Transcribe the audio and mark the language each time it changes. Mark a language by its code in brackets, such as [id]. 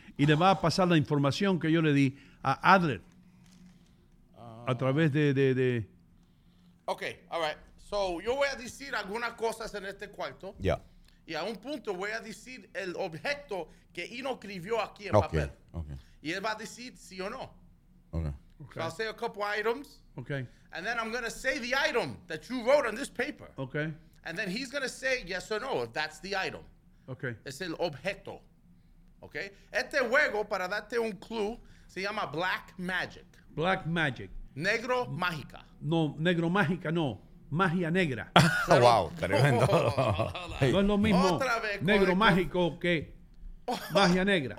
[es] y le va a pasar la información que yo le di a Adler a través de... [en] Ok, all right. [es] So, yo voy a decir algunas cosas en este cuarto. Ya. Yeah. Y a un punto voy a decir el objeto que Ino escribió aquí en papel. [en] Okay. [es] Y él va a decir sí o no. [en] Okay. So I'll say a couple items. Okay. And then I'm going to say the item that you wrote on this paper. Okay. And then he's going to say yes or no if that's the item. Okay. [es] Es el objeto. Okay. Este juego, para darte un clue, se llama Black Magic. [en] Black Magic. [es] Negro Mágica. No, Negro Mágica, no. Magia negra. Pero, wow, tremendo. No es lo mismo otra vez negro mágico que magia negra.